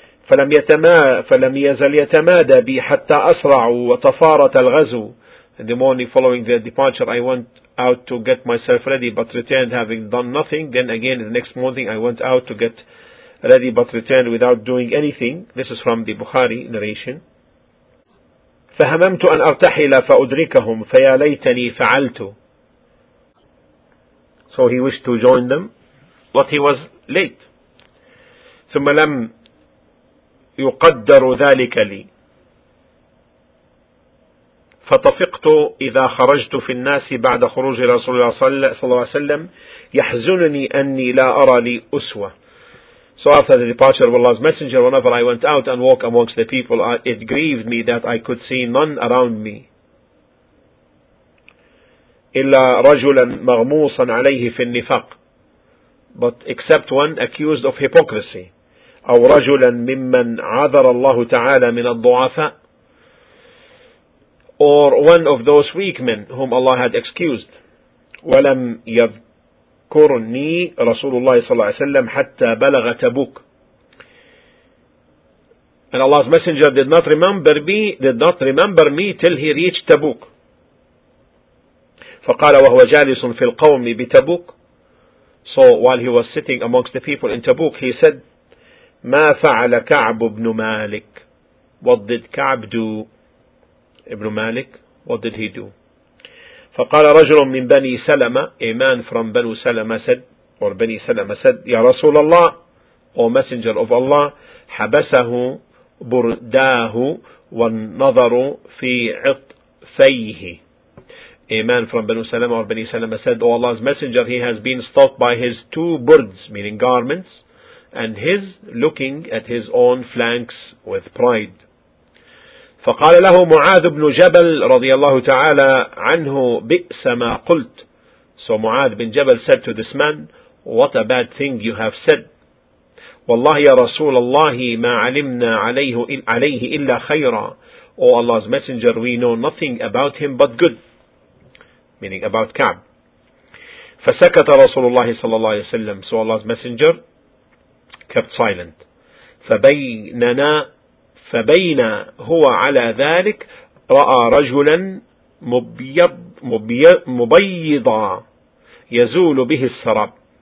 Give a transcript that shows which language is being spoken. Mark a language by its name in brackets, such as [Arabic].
[Arabic] فَلَمْ يَزَلْ يَتَمَادَ بِي حَتَّى أَسْرَعُ وَتَفَارَتَ الْغَزُ. [English] In the morning following their departure, I went out to get myself ready, but returned having done nothing. Then again, the next morning, I went out to get ready, but returned without doing anything. This is from the Bukhari narration. [Arabic] فهممت أن أرتحل فأدركهم فيا ليتني فعلت. [English] So he wished to join them, but he was late. [Arabic] ثم لم يقدر ذلك لي. فطفقت إذا خرجت في الناس بعد خروج رسول الله صلى الله عليه وسلم يحزنني أني لا أرى لي أسوة. [English] So after the departure of Allah's Messenger, whenever I went out and walked amongst the people, it grieved me that I could see none around me. [Arabic] إِلَّا رَجُلًا مَغْمُوصًا عَلَيْهِ فِي النِّفَقِ. [English] But except one accused of hypocrisy. [Arabic] أَوْ رَجُلًا مِمَّنْ عَذَرَ اللَّهُ تَعَالَى مِنَ الضُّعَفَاءِ. [English] Or one of those weak men whom Allah had excused. [Arabic] وَلَمْ يَذْكُرْ كرني رسول الله صلى الله عليه وسلم حتى بلغ تبوك. [English] And Allah's Messenger did not remember me till he reached Tabuk. [Arabic] فقال وهو جالس في القوم بتبوك. [English] So while he was sitting amongst the people in Tabuk, he said, [Arabic] ما فعل كعب بن مالك? [English] What did كعب do? ابن مالك, what did he do? [Arabic] فقال رجل من بني سلمة, [English] a man from [Arabic] بنو سلمة [English] said, or [Arabic] بني سلمة said, يا رسول الله, [English] O Messenger of Allah, [Arabic] حبسه برداه والنظر في عطفيه. [English] A man from بنو سلمة or بني سلمة said, O Allah's Messenger, he has been stopped by his two burds, meaning garments, and his looking at his own flanks with pride. [Arabic] فقال له معاذ بن جبل رضي الله تعالى عنه بئس ما قلت. [English] So معاذ بن جبل said to this man, what a bad thing you have said. [Arabic] والله يا رسول الله ما علمنا عليه إلا خيرا. [English] O Allah's Messenger, we know nothing about him but good, meaning about Ka'b. [Arabic] فسكت رسول الله صلى الله عليه وسلم. [English] So Allah's Messenger kept silent. [Arabic] فبين هو على ذلك رأى رجلا مبيض مبيضا يزول به السراب.